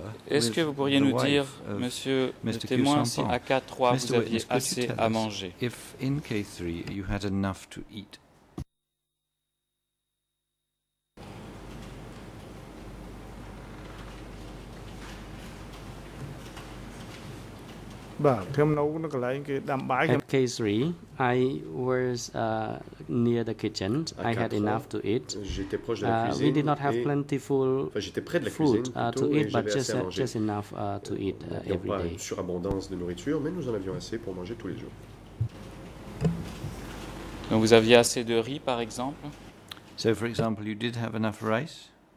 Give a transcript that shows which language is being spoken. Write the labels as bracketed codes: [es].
[fr] Est-ce que vous pourriez nous dire, Monsieur le témoin, si à K3 vous aviez assez à manger? [en] If in K3 you had enough to eat. [fr] Bon. [en] At K3, I was near the kitchen. I had enough to eat. We did not have plentiful food to eat, but just enough to eat every day. [fr] Surabondance de nourriture, mais nous en avions assez pour manger tous les jours. Donc vous aviez assez de riz, par exemple. [en] So, for example, you did have enough rice.